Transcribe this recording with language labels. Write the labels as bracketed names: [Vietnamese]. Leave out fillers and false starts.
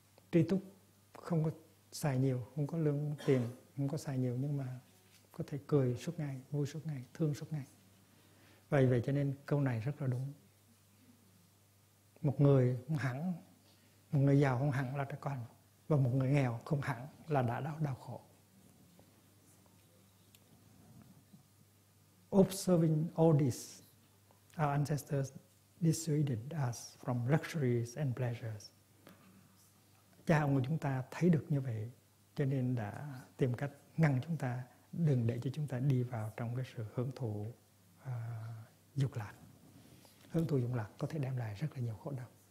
[Vietnamese] Tri túc không có xài nhiều, không có lương tiền, không có xài nhiều, nhưng mà có thể cười suốt ngày, vui suốt ngày, thương suốt ngày. Vậy cho nên câu này rất là đúng. Một người không hẳn, một người giàu không hẳn là đã có hạnh phúc, và một người nghèo không hẳn là đã đau khổ. [English] Observing all this, our ancestors dissuaded us from luxuries and pleasures. [Vietnamese] Cha ông của chúng ta thấy được như vậy, cho nên đã tìm cách ngăn chúng ta, đừng để cho chúng ta đi vào trong cái sự hưởng thụ dục lạc. Hưởng thụ dục lạc có thể đem lại rất là nhiều khổ đau.